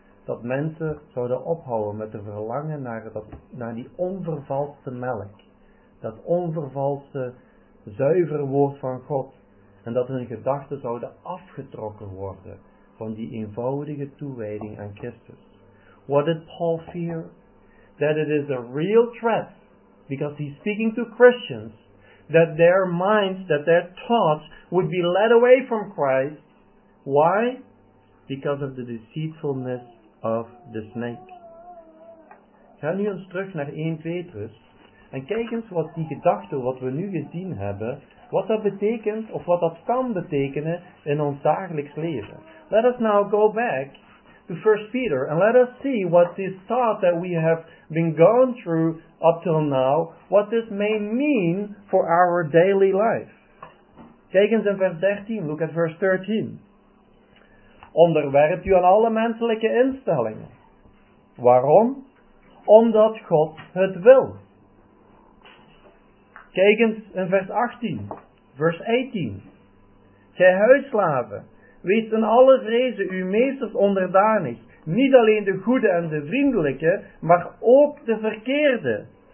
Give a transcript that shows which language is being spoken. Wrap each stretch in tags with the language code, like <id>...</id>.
<nl>Dat mensen zouden ophouden met de verlangen naar die onvervalste melk. Dat onvervalste, zuivere woord van God. En dat hun gedachten zouden afgetrokken worden van die eenvoudige toewijding aan Christus.</nl> <en>What did Paul fear? That it is a real threat, because he's speaking to Christians, that their minds, that their thoughts would be led away from Christ. Why? Because of the deceitfulness of the snake.</en> <nl>Ga nu eens terug naar 1 Petrus en kijk eens wat die gedachte, wat we nu gezien hebben, wat dat betekent of wat dat kan betekenen in ons dagelijks leven.</nl> <en>Let us now go back to 1 Peter and let us see what this thought that we have been gone through up till now, what this may mean for our daily life.</en> <nl>Kijk eens in vers 13,</nl> <en>look at verse 13.</en> <nl>Onderwerpt u aan alle menselijke instellingen. Waarom? Omdat God het wil. Kijk eens in vers 18, vers 18. Gij huisslaven, wees in alle vrezen uw meesters onderdanig, niet alleen de goede en de vriendelijke, maar ook de verkeerde.</nl>